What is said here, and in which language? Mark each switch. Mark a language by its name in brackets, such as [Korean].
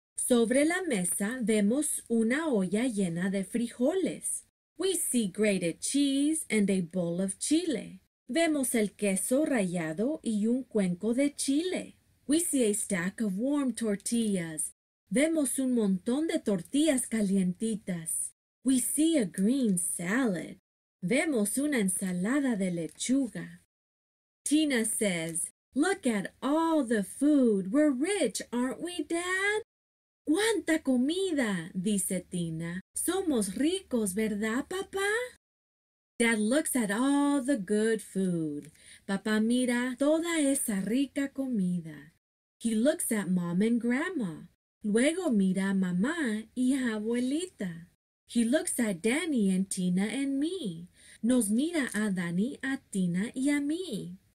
[Spanish] Sobre la mesa, vemos una olla llena de frijoles. [English] We see grated cheese and a bowl of chile. [Spanish] Vemos el queso rallado y un cuenco de chile. [English] We see a stack of warm tortillas. [Spanish] Vemos un montón de tortillas calientitas. [English] We see a green salad. [Spanish] Vemos una ensalada de lechuga. [English] Tina says, "Look at all the food. We're rich, aren't we, Dad?" [Spanish] ¡Cuánta comida!, dice Tina. Somos ricos, ¿verdad, papá? [English] Dad looks at all the good food. [Spanish] Papá mira toda esa rica comida. [English] He looks at Mom and Grandma. [Spanish] Luego mira a mamá y a abuelita. [English] He looks at Danny and Tina and me. [Spanish] Nos mira a Danny, a Tina y a mí.